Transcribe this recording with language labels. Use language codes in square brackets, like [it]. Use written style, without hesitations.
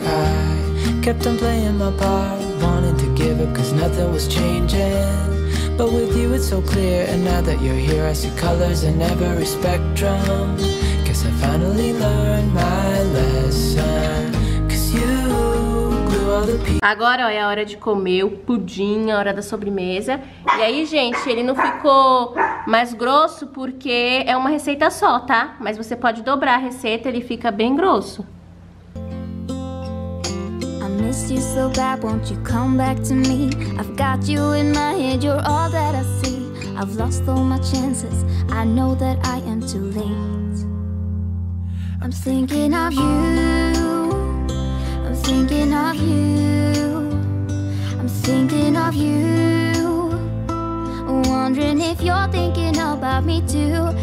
[en] I kept on playing my part, wanting to give up 'cause nothing was changing. But with you it's so clear, and now that you're here I see colors in every spectrum. Guess I finally learned my lesson. 'Cause you grew all the peace. [pt] Agora, ó, é a hora de comer o pudim, a hora da sobremesa. E aí, gente, ele não ficou mais grosso porque é uma receita só, tá? Mas você pode dobrar a receita, ele fica bem grosso. [en] You so bad, won't you come back to me? I've got you in my head, you're all that I see. I've lost all my chances, I know that I am too late. I'm thinking of you, I'm thinking of you, I'm thinking of you, wondering if you're thinking about me too.